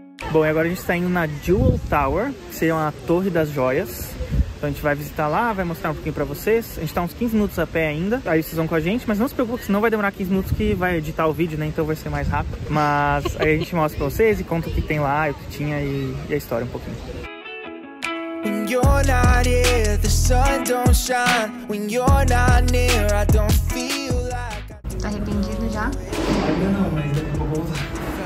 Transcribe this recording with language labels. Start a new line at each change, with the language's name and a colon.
Portuguese: Bom, e agora a gente está indo na Jewel Tower, que seria uma torre das joias. Então a gente vai visitar lá, vai mostrar um pouquinho pra vocês. A gente tá uns 15 minutos a pé ainda, aí vocês vão com a gente. Mas não se preocupe, senão vai demorar 15 minutos que vai editar o vídeo, né? Então vai ser mais rápido. Mas aí a gente mostra pra vocês e conta o que tem lá, o que tinha e a história um pouquinho.
English: When you're not here, the sun don't shine. When you're not near, I don't feel like...
Portuguese: Tá arrependido já? Ainda não, mas daqui a pouco eu vou usar.